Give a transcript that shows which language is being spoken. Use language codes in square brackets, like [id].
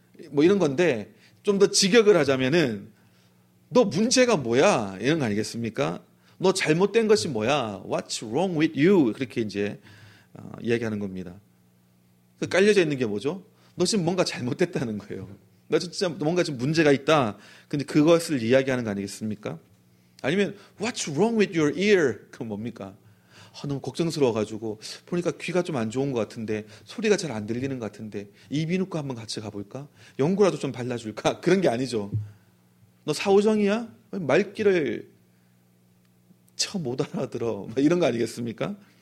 [ko] 뭐 이런 건데 좀 더 직역을 하자면은 너 문제가 뭐야? 이런 거 아니겠습니까? 너 잘못된 것이 뭐야? [en] What's wrong with you? [ko] 그렇게 이제 이야기하는 겁니다. 그 깔려져 있는 게 뭐죠? 너 지금 뭔가 잘못됐다는 거예요. 나 진짜 뭔가 지금 문제가 있다. 근데 그것을 이야기하는 거 아니겠습니까? 아니면 [en] What's wrong with your ear? [ko] 그건 뭡니까? 너무 걱정스러워가지고 보니까 귀가 좀 안 좋은 것 같은데 소리가 잘 안 들리는 것 같은데 이비인후과 한번 같이 가볼까? 연고라도 좀 발라줄까? 그런 게 아니죠. 너 사오정이야? 말귀를 쳐 못 알아들어. 막 이런 거 아니겠습니까?